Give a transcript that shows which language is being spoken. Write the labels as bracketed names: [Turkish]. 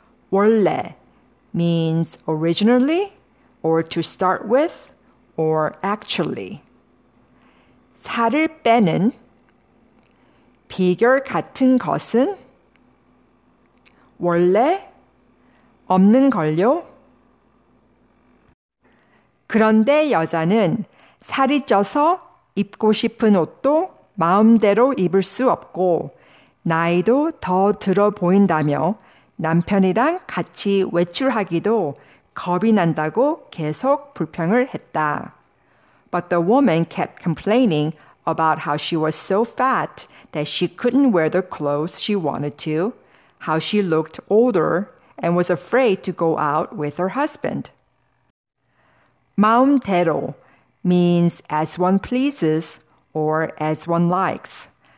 [English] 원래 means originally or to start with or actually. [Korean] 살을 빼는 비결 같은 것은 원래 없는 걸요? 그런데 여자는 살이 쪄서 입고 싶은 옷도 마음대로 입을 수 없고 나이도 더 들어 보인다며 남편이랑 같이 외출하기도 겁이 난다고 계속 불평을 했다. [English] But the woman kept complaining about how she was so fat that she couldn't wear the clothes she wanted to, how she looked older and was afraid to go out with her husband. 마음대로 means as one pleases or as one likes.